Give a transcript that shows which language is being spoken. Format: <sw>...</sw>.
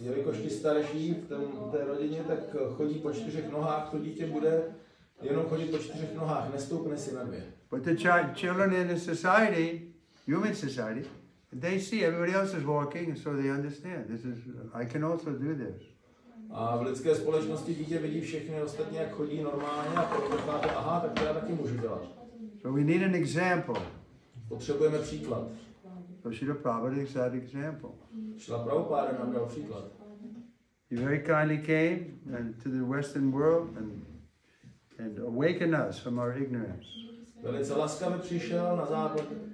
<cs>Jelikož ti starší v té rodině, tak chodí po čtyřech nohách, to dítě bude jenom chodit po čtyřech nohách, nestoupne si na dvě.</cs> <en>But the children in the society, human society, they see everybody else is walking, so they understand. This is, I can also do this.</en> <cs>A v lidské společnosti dítě vidí všechny ostatní, jak chodí normálně, a proto říkáte, aha, tak to já taky můžu dělat.</cs> <en>So we need an example.</en> <cs>Potřebujeme příklad.</cs> <en>So Srila Prabhupada is that example.</en> <cs>Srila Prabhupada nám dal příklad.</cs> <en>He very kindly came and to the Western world and awakened us from our ignorance.</en> <cs>Velice laskavě přišel na západ.</cs>